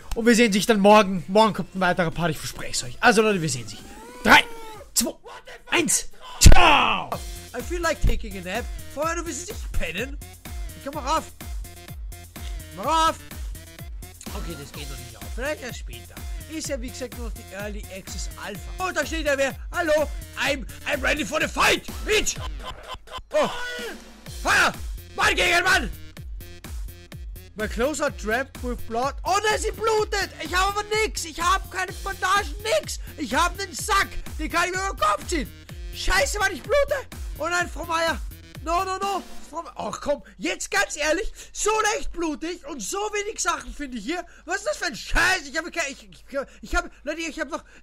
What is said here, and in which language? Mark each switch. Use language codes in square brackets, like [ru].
[de] Und wir sehen sich dann morgen. Morgen kommt ein weiterer Part, ich verspreche es euch. Also, Leute, wir sehen sich. 3! 1, ciao! [en] I feel like taking a nap. [de] Vorher, du willst nicht pennen? Komm mal rauf. Mal rauf. Okay, das geht noch nicht auf. Vielleicht erst später. Ist ja, wie gesagt, noch die Early Access Alpha. Oh, da steht ja wer. Hallo, [en] I'm ready for the fight, bitch! [de] Oh, Feuer! Mann gegen Mann! [en] My clothes are trapped with blood. [de] Oh nein, sie blutet! Ich habe aber nichts! Ich habe keine Bandagen, nichts! Ich habe einen Sack! Den kann ich mir über den Kopf ziehen! Scheiße, Mann, ich blute! Oh nein, Frau Meier! [en] No, no, no! [de] Ach komm, jetzt ganz ehrlich, so leicht blutig und so wenig Sachen finde ich hier. Was ist das für ein Scheiß? Ich habe keine. Ich habe. Leute, ich habe noch. Ich